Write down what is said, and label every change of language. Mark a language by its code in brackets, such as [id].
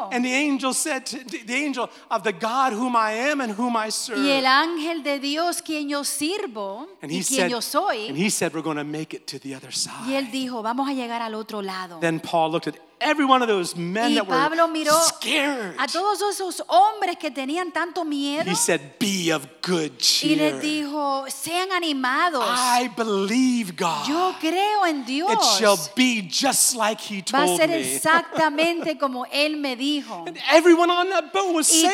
[en] And the angel said, the angel of the God whom I am and whom I serve. [es] Y el ángel de Dios quien yo sirvo [en] and he [es] y quien [en] said, [es] yo soy. [en] And he said, we're going to make it to the other side. [es] Y él dijo, vamos a llegar al otro lado. [en] Then Paul looked at every one of those men that were scared. [es] A todos esos hombres que tenían tanto miedo. [en] He said, "Be of good cheer." [es] Y les dijo, sean animados. [en] I believe God. [es] Yo creo en Dios. [en] It shall be just like He told me. [es] Va a ser exactamente como él me dijo. [en] And everyone on that boat was saved.